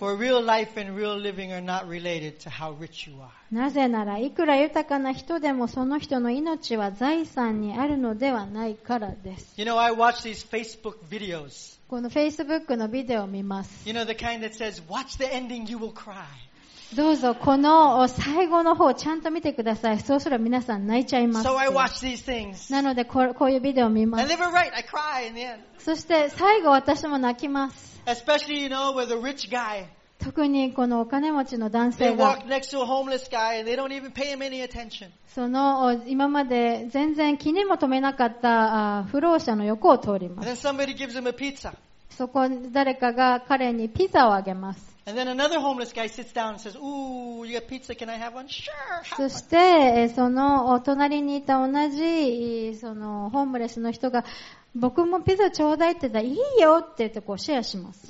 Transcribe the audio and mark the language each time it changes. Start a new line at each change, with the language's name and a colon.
Japanese: なぜならいくら豊かな人でもその人の命は財産にあるのではないからです。
English: You know, I watch these Facebook videos.
Japanese: この Facebook のビデオを見ます。
English: You know, the kind that says, watch the ending, you will cry.
Japanese: どうぞこの最後の方をちゃんと見てください。そうすれば皆さん泣いちゃいます。
English: So I watch these things.
Japanese: なのでこういうビデオを見ます。
English: I live it right. I cry in the end.
Japanese: そして最後私も泣きます。
English: Especially, you know, with a rich guy.
Japanese: 特にこのお金持ちの男性が、
English: they walk next to a homeless guy and they don't even pay him any attention.
Japanese: その今まで全然気にも留めなかった不老者の横を通ります。
English: And then somebody gives him a pizza.
Japanese: そこ誰かが彼にピザをあげます。
English: And then another homeless guy sits down and says, "Ooh, you got pizza? Can I have one?" Sure.
Japanese: そしてそのお隣にいた同じそのホームレスの人が、僕もピザちょうだいって言ったらいいよって言ってこうシェアします。